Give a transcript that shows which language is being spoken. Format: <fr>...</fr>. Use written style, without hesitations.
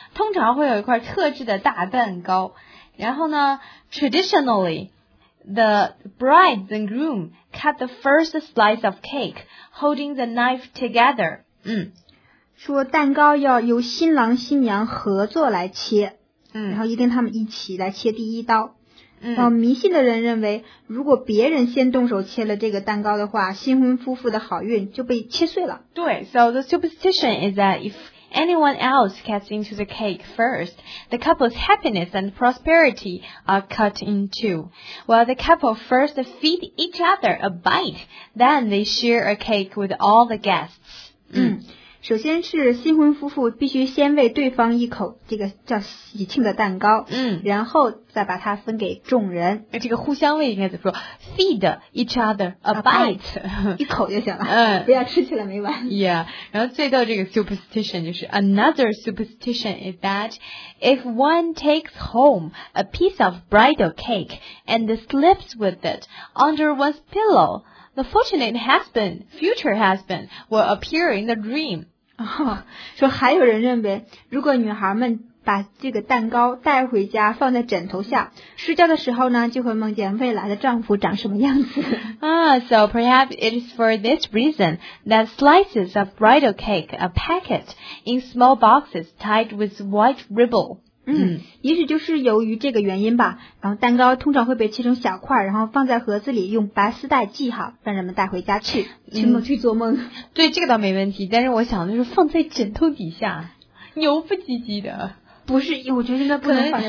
<zh>通常会有一块特制的大蛋糕，然后呢</zh> <en>traditionally the bride and groom cut the first slice of cakeholding the knife together. 嗯，</en> <zh>说蛋糕要由新郎新娘合作来切，嗯，然后一定他们一起来切第一刀。嗯，然后迷信的人认为，如果别人先动手切了这个蛋糕的话，新婚夫妇的好运就被切碎了。</zh> <en>对 ，so the superstition is that if anyone else cuts into the cake first, the couple's happiness and prosperity are cut in two. While the couple first feed each other a bite, then they share a cake with all the guests. 嗯，</en> <zh>首先是新婚夫妇必须先喂对方一口这个叫喜庆的蛋糕，嗯，然后再把它分给众人。这个互相喂应该怎么说 ？</zh> <en>Feed each other a bite，</en> <zh>一口就行了，嗯，不要吃起来没完。</zh> <en>Yeah，</en> <zh>然后最后这个</zh> <en>superstition 就是 another superstition is that if one takes home a piece of bridal cake and sleeps with it under one's pillow。 The fortunate husband, future husband, will appear in the dream.、</en> <zh>哦、说还有人认为，如果女孩们把这个蛋糕带回家放在枕头下，睡觉的时候呢，就会梦见未来的丈夫长什么样子。</zh> <en>So perhaps it is for this reason that slices of bridal cake are packed in small boxes tied with white ribbon.</en> <zh>嗯，也许就是由于这个原因吧，然后蛋糕通常会被切成小块，然后放在盒子里用白丝带系好，让人们带回家去，请梦去做梦、嗯、对，这个倒没问题，但是我想的是放在枕头底下牛不唧唧的，不是，我觉得应该不能放在，</zh>